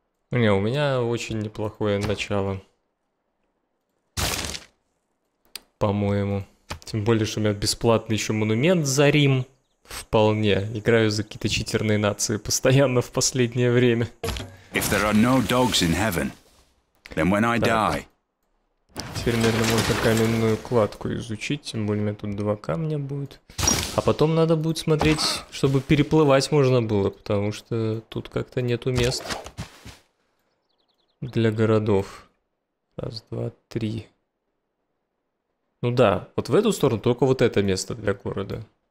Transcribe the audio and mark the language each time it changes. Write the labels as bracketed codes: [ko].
[ru] Не, у меня очень неплохое начало. По-моему. Тем более, что у меня бесплатный еще монумент за Рим. Вполне. Играю за какие-то читерные нации постоянно в последнее время. [en] If there are no dogs in heaven, then when I die... [ru] Теперь, наверное, можно каменную кладку изучить. Тем более, у меня тут два камня будет. А потом надо будет смотреть, чтобы переплывать можно было. Потому что тут как-то нету мест для городов. Раз, два, три... Ну да, вот в эту сторону только вот это место для города.